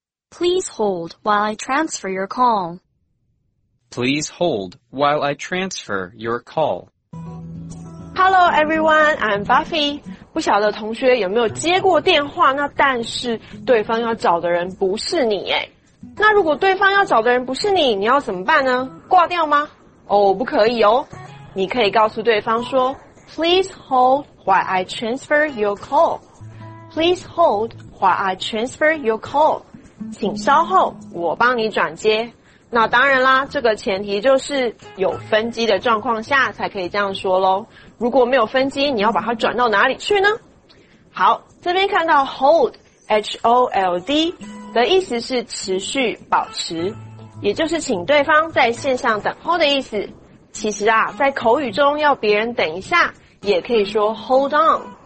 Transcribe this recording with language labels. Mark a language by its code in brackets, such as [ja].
[en] Please hold while I transfer your call. Please hold while I transfer your call. Hello everyone, I'm Buffy. [zh] 不晓得同学有没有接过电话，那但是对方要找的人不是你耶。那如果对方要找的人不是你，你要怎么办呢？挂掉吗？哦，不可以哦。你可以告诉对方说 [en] Please hold while I transfer your call. Please hold while I transfer your call. [zh] 请稍后我帮你转接那当然啦这个前提就是有分机的状况下才可以这样说咯如果没有分机你要把它转到哪里去呢好这边看到 hold H-O-L-D 的意思是持续保持也就是请对方在线上等候的意思其实啊在口语中要别人等一下也可以说 [en] hold on